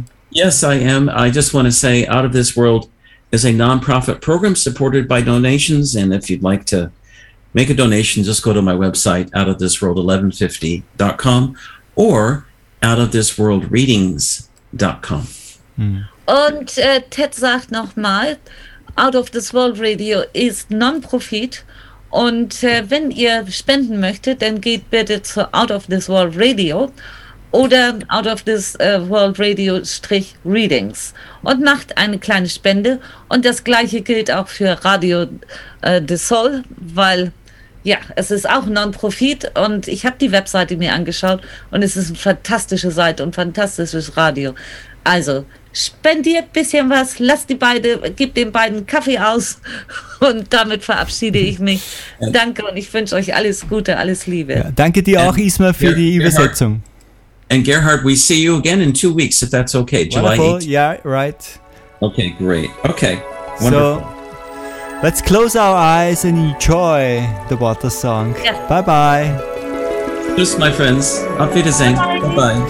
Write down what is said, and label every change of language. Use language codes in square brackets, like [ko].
[en] Yes, I am. I just want to say, Out of This World is a nonprofit program supported by donations, and if you'd like to make a donation, just go to my website, outofthisworld1150.com or outofthisworldreadings.com. Mm. [de] Und Ted sagt nochmal, Out of This World Radio ist Non-Profit. Und wenn ihr spenden möchtet, dann geht bitte zu Out of This World Radio oder Out of This World Radio-Readings und macht eine kleine Spende. Und das Gleiche gilt auch für Radio de Sol, weil ja, es ist auch Non-Profit und ich habe die Webseite mir angeschaut und es ist eine fantastische Seite und fantastisches Radio. Also spendiert ein bisschen was, lasst die beiden, gib den beiden Kaffee aus und damit verabschiede ich mich. Danke und ich wünsche euch alles Gute, alles Liebe. Ja, danke dir auch, Ishma, für die Übersetzung. [en] And Gerhard, we see you again in 2 weeks, if that's okay, July 8th. Yeah, right. Okay, great. Okay, wonderful. So, let's close our eyes and enjoy the water song. Yeah. Bye-bye. [de] Tschüss, [en] my friends. [de] Auf Wiedersehen. [en] Bye-bye.